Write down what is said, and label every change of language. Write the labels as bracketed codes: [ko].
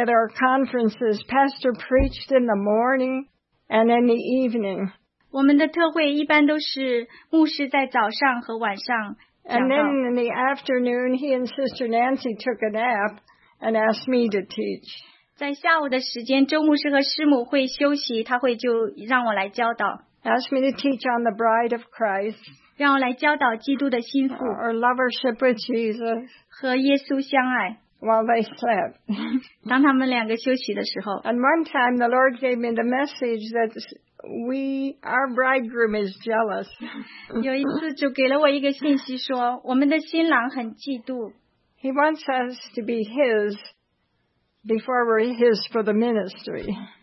[en] at our conferences, Pastor preached in the morning and in the evening. [zh] 我们的特会一般都是牧师在早上和晚上讲道。 [en] And then in the afternoon, he and Sister Nancy took a nap and asked me to teach. [zh] 在下午的时间，周牧师和师母会休息，他会就让我来教导。 [en] Ask me to teach on the Bride of Christ. [zh] 让我来教导基督的心腹, [en] or lovership with Jesus. [zh] 和耶稣相爱, [en] while they slept. [zh] 当他们两个休息的时候, [en] and one time the Lord gave me the message that our bridegroom is jealous. [zh] 有一次主给了我一个信息说, 我们的新郎很嫉妒。 [en] He wants us to be his before we're his for the ministry.